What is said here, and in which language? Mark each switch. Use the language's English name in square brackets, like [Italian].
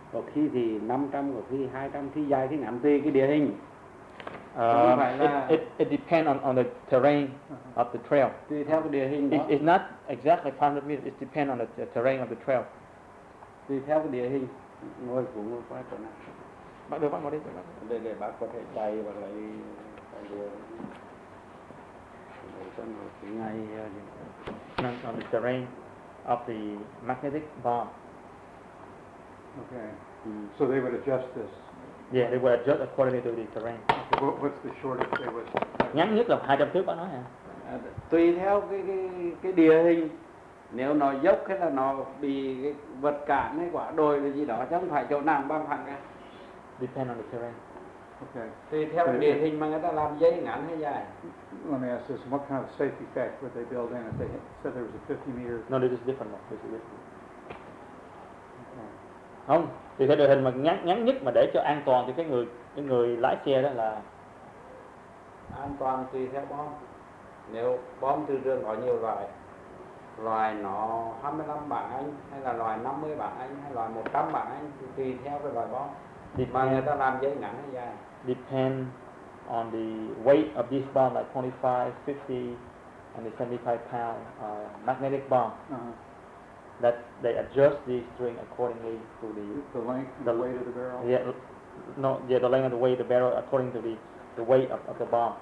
[Vietnamese] Có khi thì 500, có khi 200, khi dài, khi ngắn, tùy cái địa hình. [English] It depends on the terrain of the trail. It's not exactly 500 meters. It depends on the terrain of the trail. [Vietnamese] Tùy theo cái địa hình. Ngồi cũng ngồi qua chỗ nào. Bác đưa bác ngồi đi. Để bác có thể chạy và lấy ngay. [English] Depends on the terrain of the magnetic bomb. Okay. So they would adjust this. Yeah, they were adjusted according to the terrain. What's the shortest they would? [Vietnamese] Ngắn nhất là 200 thước, bác nói hả? Tùy theo cái địa hình, nếu nó dốc hay là nó bị cái vật cản hay quả đồi là gì đó, chứ không phải chỗ nào bằng phẳng cả. [English] Depend on the terrain. Okay. [Vietnamese] Tùy theo địa hình mà người ta làm dây ngắn hay dài. [English] Let me ask this: what kind of safety effect would they build in if they said there was a 50 meter? No, this is different. This is different. Okay. [Vietnamese] Không, thì cái đội hình mà ngắn nhất mà để cho an toàn thì cái người lái xe đó là an toàn tùy theo bom. Nếu bom từ trường có nhiều loại, loại nó 25 bản anh hay là loại 50 bản anh hay loại 100 bản anh thì tùy theo cái loại bom. [English] Depend, [Vietnamese] mà người ta làm dây ngắn hay dài. [English] Depend on the weight of this bomb, like 25, 50 and the 75 pound magnetic bomb. Uh-huh. That they adjust the string accordingly to the length and the weight of the barrel. Yeah, no, yeah, the length and the weight of the barrel according to the weight of the bomb.